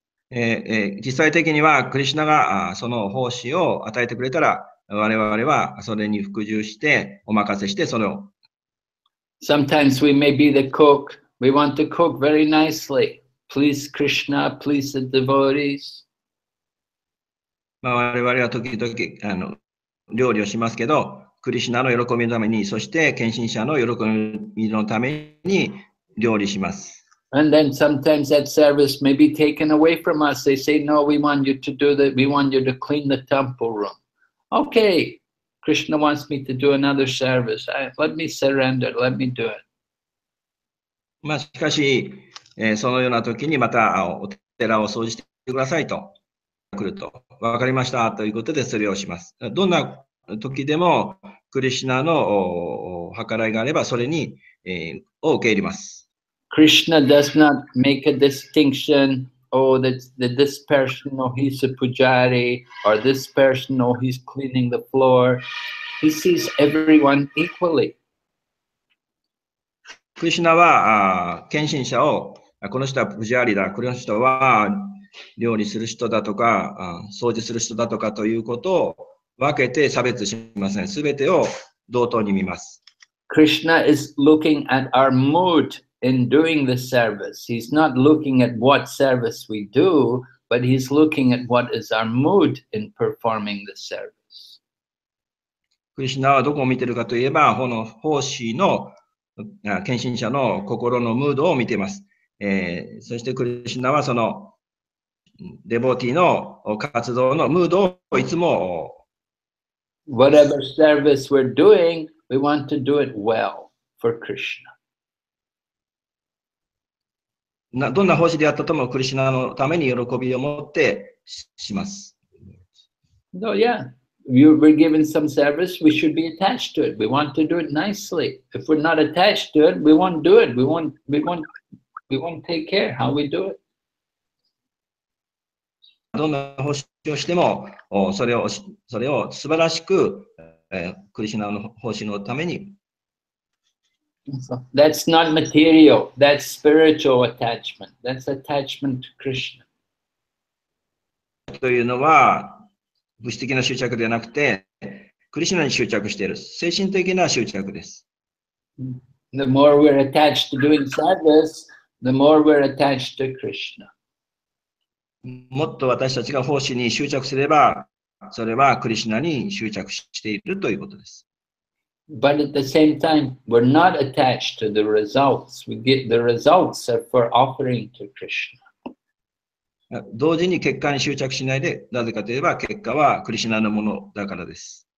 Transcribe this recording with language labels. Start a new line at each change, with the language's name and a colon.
Japanese: 実際的には、クリシナがその奉仕を与えてくれたら、我々はそれに服従して、お任せして、それを。
English: Sometimes we may be the cook. We want to cook very nicely. Please, Krishna, please the devotees.
Japanese: まあ我々は時々あの料理をしますけど、クリシナの喜びのために、そして献身者の喜びのために料理します。
English: And then sometimes that service may be taken away from us. They say, no, we want you to do that. We want you to clean the temple room. Okay, Krishna wants me to do another service. Let me surrender. Let me do it.
Japanese: まあしかし、そのような時にまたお寺を掃除してくださいと来ると、わかりましたということでそれをします。どんな時でもクリシナの計らいがあればそれに、を受け入れます。
English: Krishna does not make a distinction. oh, that this person, oh, he's a pujari, or this person, oh, he's cleaning the floor. He sees everyone equally.
Japanese: クリシュナは献身者をこの人はプジャーリだ、この人は料理する人だとか掃除する人だとかということを分けて差別しません。すべてを同等に見ます。
English: Krishna is looking at our mood in doing the service. He's not looking at what service we do, but he's looking at what is our mood in performing the service.
Japanese: クリシュナはどこを見ているかといえば、この奉仕の献身者の心のムードを見ています。そしてクリシュナはそのデボーティの活動のムードをいつも
English: Whatever service we're doing, we want to do it well for Krishna.
Japanese: どんな奉仕であったともクリシュナのために喜びを持ってします。
English: So, yeah. You were given some service, we should be attached to it. We want to do it nicely. If we're not attached to it, we won't do it. We won't take care how we do it.
Japanese: どんな奉仕をしても、それを素晴らしく、クリシナの奉仕のために。
English: That's not material. That's spiritual attachment. That's attachment to Krishna.
Japanese: というのは、物質的な執着ではなくて、クリシュナに執着している、精神的な執着です。
English: The more we're attached to doing service, the more we're attached to Krishna.
Japanese: もっと私たちが奉仕に執着すれば、それはクリシュナに執着しているということです。
English: But at the same time, we're not attached to the results. We get the results for offering to Krishna.
Japanese: 同時に結果に執着しないで、なぜかといえば結果はクリシュナのものだからです。